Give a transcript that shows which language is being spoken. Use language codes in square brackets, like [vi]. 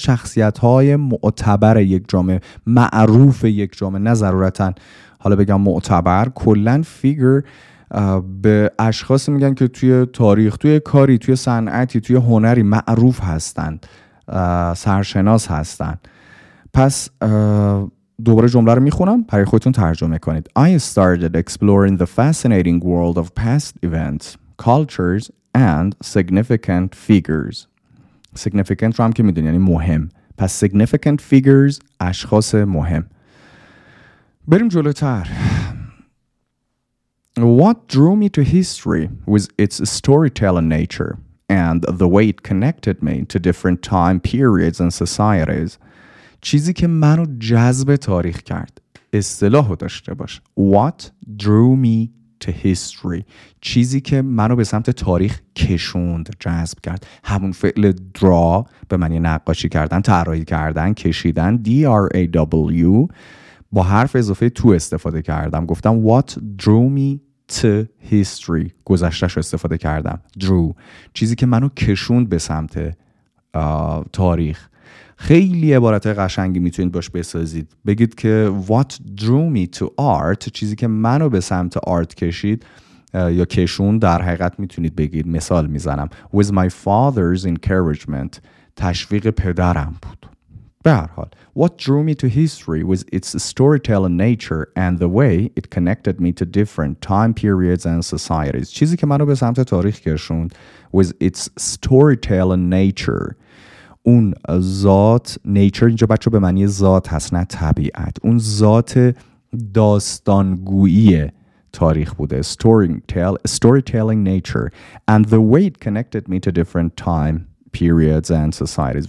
[fa] شخصیت های معتبر یک جامعه، معروف یک جامعه، نه ضرورتاً حالا بگم معتبر. کلن figure به اشخاصی میگن که توی تاریخ، توی کاری، توی صنعتی، توی هنری معروف هستند، سرشناس هستند. پس دوباره جمله رو میخونم برای خودتون ترجمه کنید. [en] I started exploring the fascinating world of past events, cultures and significant figures. [fa] significant رو هم که میدونی یعنی مهم. پس significant figures اشخاص مهم. بریم جلوتر. [en] What drew me to history was its storytelling nature and the way it connected me to different time periods and societies. [fa] چیزی که منو جذب تاریخ کرد، اصطلاحو داشته باش. [en] What drew me to history؟ [fa] چیزی که منو به سمت تاریخ کشوند، جذب کرد. همون فعل draw به معنی نقاشی کردن، طراحی کردن، کشیدن. D-R-A-W با حرف اضافه تو استفاده کردم، گفتم [en] what drew me to history، [fa] گذشتهش رو استفاده کردم. drew چیزی که منو کشوند به سمت تاریخ. خیلی عبارت قشنگی میتونید باش بسازید. بگید که [en] what drew me to art، [fa] چیزی که منو به سمت آرت کشید یا کشوند در حقیقت میتونید بگید. مثال میزنم [en] was my father's encouragement، [fa] تشویق پدرم بود. به هر حال [en] what drew me to history was its storytelling nature and the way it connected me to different time periods and societies. [fa] چیزی که منو به سمت تاریخ کشوند [en] was its storytelling nature. [fa] اون ذات، nature اینجا بچه به معنی ذات هست نه طبیعت، اون ذات داستانگویی تاریخ بوده. [en] storytelling nature and the way it connected me to different time periods and societies.